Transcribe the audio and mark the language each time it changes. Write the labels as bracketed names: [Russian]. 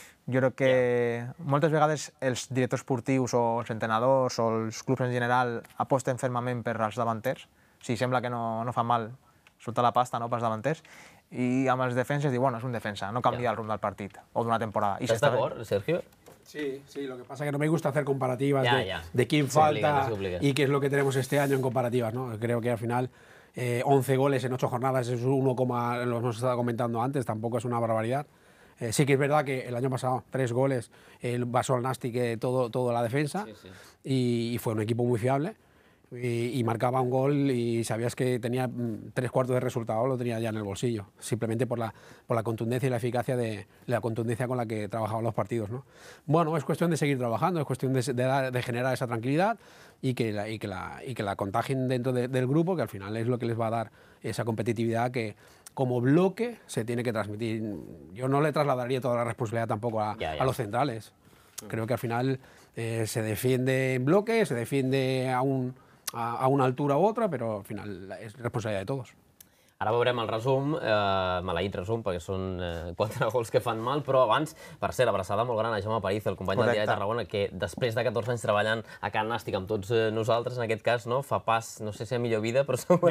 [Catalan] Jo crec que moltes vegades els directors esportius o els entrenadors o els clubs en general aposten fermament per als davanters. Sí, sembla que no fa mal soltar la pasta per als davanters. I amb els defenses diu, bueno, és un defensa, no canvia el rumb del partit o d'una temporada. Estàs d'acord, Sergio? [Spanish] Sí, sí, lo que pasa es que no me gusta hacer comparativas de quién falta y qué es lo que tenemos este año en comparativas, ¿no? Creo que al final 11 goles en 8 jornadas es 1, lo hemos estado comentando antes, tampoco es una barbaridad. Sí que es verdad que el año pasado 3 goles basó al Nasti toda la defensa y fue un equipo muy fiable. Y marcaba un gol y sabías que tenía 3/4 de resultado, lo tenía ya en el bolsillo, simplemente por la contundencia y la eficacia de la contundencia con la que trabajaban los partidos, ¿no? Bueno, es cuestión de seguir trabajando, es cuestión de generar esa tranquilidad y que la contagien dentro del grupo, que al final es lo que les va a dar esa competitividad que como bloque se tiene que transmitir. Yo no le trasladaría toda la responsabilidad tampoco a los centrales. Creo que al final se defiende en bloque, se defiende a una altura u otra, [Catalan] però al final és responsabilitat de tots. Ara veurem el resum, maleït resum, perquè són 4 gols que fan mal, però abans, per cert, abraçada molt gran a Jaume Paríz, el company del Diari de Tarragona, que després de 14 anys treballant a Can Nàstic amb tots nosaltres, en aquest cas, no, fa pas, no sé si a millor vida, però segurament